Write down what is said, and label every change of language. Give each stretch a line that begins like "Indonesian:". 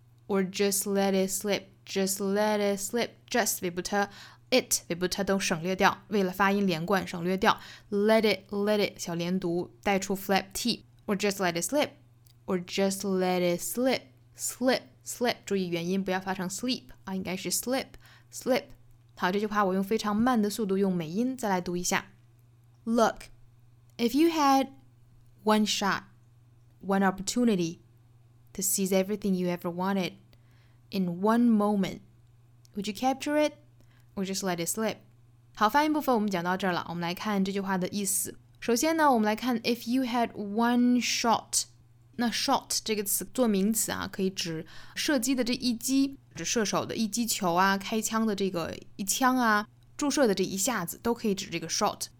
English: Or just let it slip, just
Chinese: 尾不特 it 尾不特都省略掉，为了发音连贯省略掉
English: let it
Chinese: 小连读带出
English: flap t, or just let it slip,
Chinese: 注意元音不要发成
English: sleep
Chinese: 啊，应该是
English: slip.
Chinese: 好，这句话我用非常慢的速度用美音再来读一下。
English: Look, if you had one shot, one opportunity to seize everything you ever wanted. In one moment, would you capture it or just let it slip?
Chinese: 好，发音部分我们讲到这儿了。我们来看这句话的意思。首先呢，我们来看
English: if you had one shot,
Chinese: 那 shot 这个词做名词啊，可以指射击的这一击，指射手的一击球啊，开枪的这个一枪啊，注射的这一下子都可以指这个 shot。